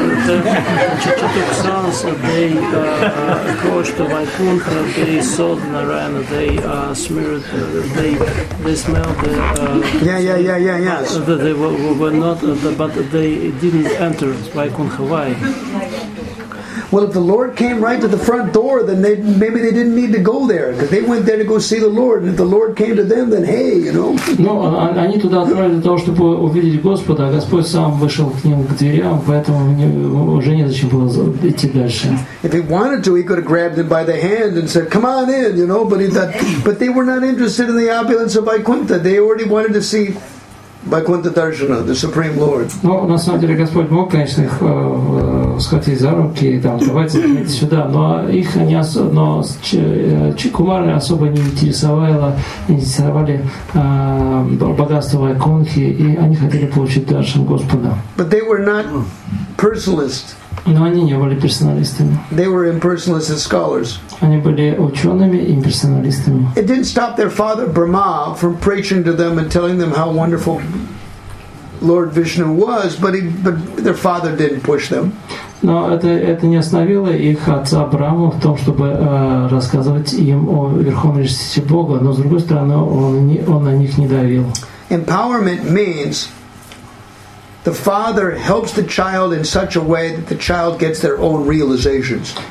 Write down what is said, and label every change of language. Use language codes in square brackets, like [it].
[en] They approached the Vaikuntha, they saw the Narayana, they smeared, they smelled the... They were not, but they didn't enter Vaikuntha. Why? Well, if the Lord came right to the front door, then maybe they didn't need to go there, because they went there to go see the Lord. And if the Lord came to them, then hey, you know. [ru] No, они туда отправились для того, чтобы увидеть Господа, а Господь сам вышел к ним к дверям, поэтому уже не зачем было идти дальше. [en] If he wanted to, he could have grabbed him by the hand and said, "Come on in," you know. But they were not interested in the opulence of Vaikuntha. They already wanted to see Vaikuntha Darshana, the Supreme Lord. [ru] Ну, на самом деле, Господь мог, конечно, их схватить за руки и там, давайте заходите сюда. Но их не особо, но чикумары особо не интересовали богатство Вайкунтхи, и они хотели получить даршан Господа. [en] But they were not personalists. [ru] Но они не были персоналистами. [en] They were impersonalist scholars. [ru] Они были учеными и имперсоналистами. [en] It didn't stop their father Brahma from preaching to them and telling them how wonderful Lord Vishnu was, but their father didn't push them. [ru] Но это не остановило их отца Брахму в том, чтобы рассказывать им о верховной личности Бога, но с другой стороны он на них не давил. [en] Empowerment means the father helps the child in such a way that the child gets their own realizations.